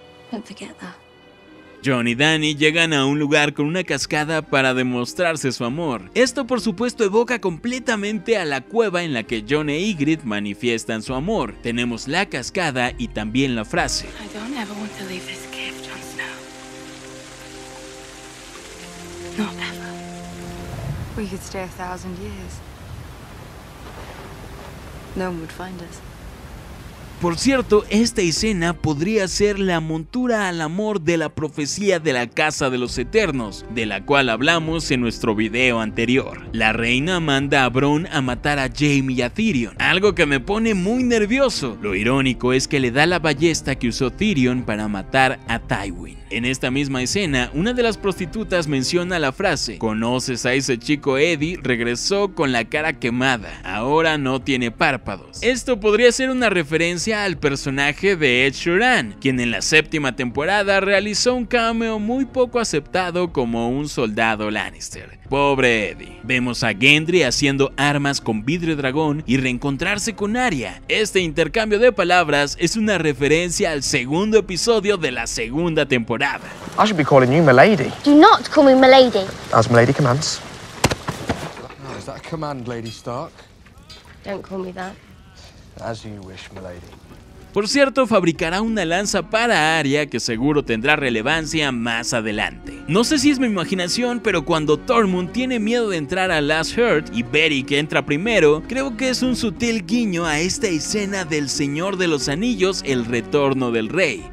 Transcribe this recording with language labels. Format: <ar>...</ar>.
<en>Don't forget that.</en> <es>Jon y Dany llegan a un lugar con una cascada para demostrarse su amor. Esto por supuesto evoca completamente a la cueva en la que Jon e Ygritte manifiestan su amor. Tenemos la cascada y también la frase.</es> <en>I don't ever want to leave this cave, Jon Snow. Not ever. We could stay a thousand years. No one would find us.</en> <es>Por cierto, esta escena podría ser la montura al amor de la profecía de la Casa de los Eternos, de la cual hablamos en nuestro video anterior. La reina manda a Bronn a matar a Jaime y a Tyrion, algo que me pone muy nervioso. Lo irónico es que le da la ballesta que usó Tyrion para matar a Tywin. En esta misma escena, una de las prostitutas menciona la frase: ¿conoces a ese chico Eddie? Regresó con la cara quemada. Ahora no tiene párpados. Esto podría ser una referencia al personaje de Ed Sheeran, quien en la séptima temporada realizó un cameo muy poco aceptado como un soldado Lannister. Pobre Eddie. Vemos a Gendry haciendo armas con vidrio dragón y reencontrarse con Arya. Este intercambio de palabras es una referencia al segundo episodio de la segunda temporada.</es> <en>I should be calling you milady. Do not call me milady. As milady commands. Is that a command, Lady Stark? Don't call me that. As you wish, milady.</en> <es>Por cierto, fabricará una lanza para Arya que seguro tendrá relevancia más adelante. No sé si es mi imaginación, pero cuando Tormund tiene miedo de entrar a Last Hurt y Beric entra primero, creo que es un sutil guiño a esta escena del Señor de los Anillos, El Retorno del Rey.</es>